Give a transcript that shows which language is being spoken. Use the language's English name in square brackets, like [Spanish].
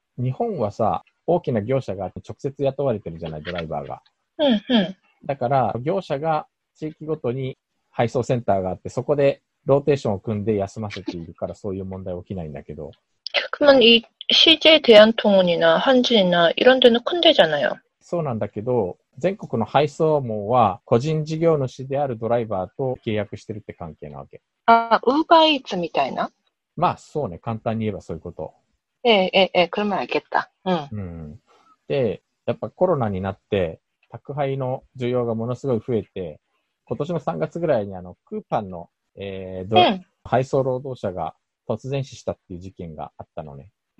[Japanese] 日本はさ、大きな業者が直接雇われてるじゃない、ドライバーが。だから業者が地域ごとに配送センターがあって、そこでローテーションを組んで休ませているから、そういう問題は起きないんだけど。 [Korean] 그러면 CJ 대한통운이나한진이나이런데는큰데잖아요。 [Japanese] そうなんだけど、全国の配送網は個人事業主であるドライバーと契約してるって関係なわけ。あ、ウーバーイーツみたいな。まあそうね、簡単に言えばそういうこと。 [Korean] ええええ、그러면알겠다。 [Japanese] で、やっぱコロナになって宅配の需要がものすごい増えて、今年の3月ぐらいにあのクーパンの配送労働者が突然死したっていう事件があったのね。